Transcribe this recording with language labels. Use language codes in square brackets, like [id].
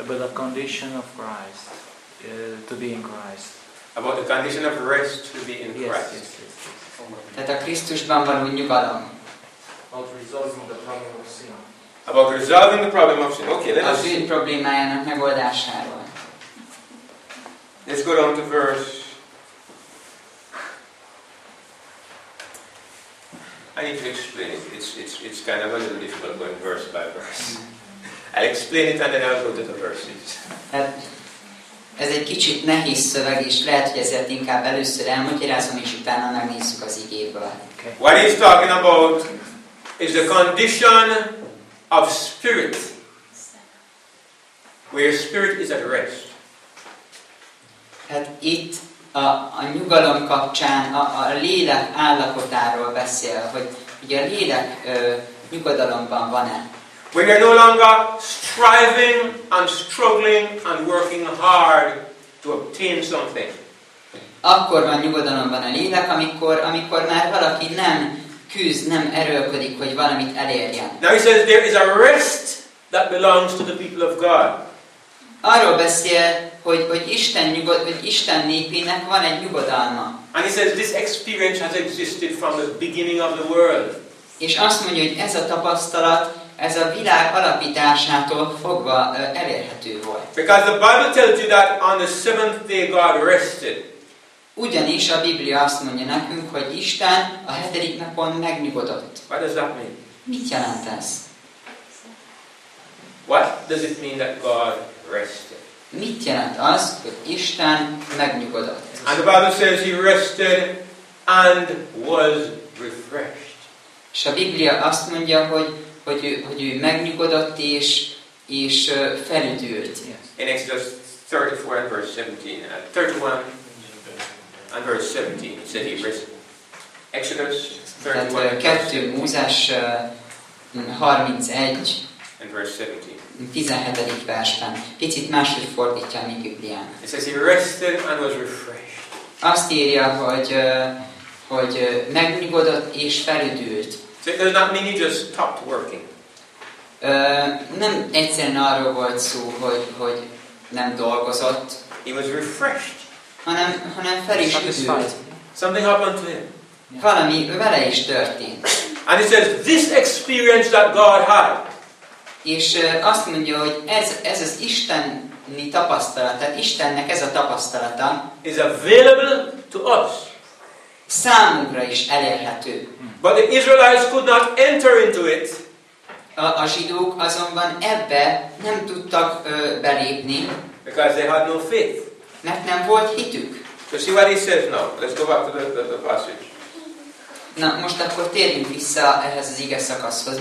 [en] About the condition of Christ, to be in Christ. About the condition of rest to be in Christ. Yes, yes, yes. [hu] Tehát a Krisztusban való nyugalom. [en] About resolving the problem of sin. About resolving the problem of sin. Okay, let us. [hu] A bűn problémájának megoldásáról. [en] Let's go on to verse. I need to explain it. It's kind of a little difficult going verse by verse. I'll explain it and then I'll go to the verses. [hu] Ez egy kicsit nehéz szöveg, és lehet, hogy ezért inkább először elmagyarázom, és utána megnézzük az igéből. [en] What he's talking about is the condition of spirit, where spirit is at rest. [hu] Hát itt a nyugalom kapcsán a lélek állapotáról beszél, hogy ugye a lélek nyugodalomban van-e. [en] When you're no longer striving and struggling and working hard to obtain something. [hu] Akkor van nyugodalomban a lélek, amikor már valaki nem küzd, nem erőlködik, hogy valamit elérjen. [en] Now he says there is a rest that belongs to the people of God. [hu] Arról beszél, hogy Isten nyugod, hogy Isten népének van egy nyugodalma. [en] And he says this experience has existed from the beginning of the world. [hu] És azt mondja, hogy ez a tapasztalat, ez a világ alapításától fogva elérhető volt. [en] Because the Bible tells you that on the seventh day God rested. [hu] Ugyanis a Biblia azt mondja nekünk, hogy Isten a hetedik napon megnyugodott. [en] What does that mean? [hu] Mit jelent ez? [en] What does it mean that God rested? [hu] Mit jelent az, hogy Isten megnyugodott? [en] And the Bible says he rested and was refreshed. [hu] És a Biblia azt mondja, hogy ő megnyugodott és felüdült. [en] In Exodus 34 and verse 17, 31 and verse 17, said he rested. Exodus 31. [hu] 2 Mózes 31. [en] And verse 17. [hu] 17. versben. Picit máshogy fordítja a mi Biblián. [en] It says he rested and was refreshed. [hu] Azt írja, hogy megnyugodott és felüdült. [en] So does that mean he just stopped working? [hu] Nem egyszerűen arról volt szó, hogy nem dolgozott. [en] He was refreshed. [hu] Hanem felismerült. [en] Something happened to him. [hu] Valami vele is történt. [en] And he says this experience that God had. [hu] És azt mondja, hogy ez az isteni tapasztalat, tehát Istennek ez a tapasztalata. [en] Is available to us. [hu] Számunkra is elérhető. [en] But the Israelites could not enter into it. [hu] A zsidók azonban ebbe nem tudtak belépni. [en] Because they had no faith. [hu] Mert nem volt hitük. [en] So see what he says now. Let's go back to the passage. [hu] Na, most akkor térjünk vissza ehhez az ige szakaszhoz.